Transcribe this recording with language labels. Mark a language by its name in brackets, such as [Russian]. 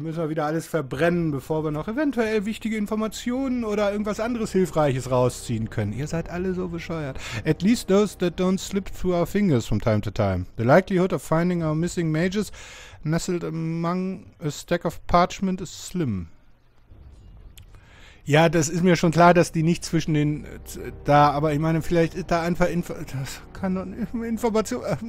[German] Müssen wir wieder alles verbrennen, bevor wir noch eventuell wichtige Informationen oder irgendwas anderes Hilfreiches rausziehen können. Ihr seid alle so bescheuert. [English] At least those that don't slip through our fingers from time to time. The likelihood of finding our missing mages nestled among a stack of parchment is slim. [German] Ja, das ist mir schon klar, dass die nicht zwischen den da, aber ich meine, vielleicht ist da einfach das kann doch eine Information.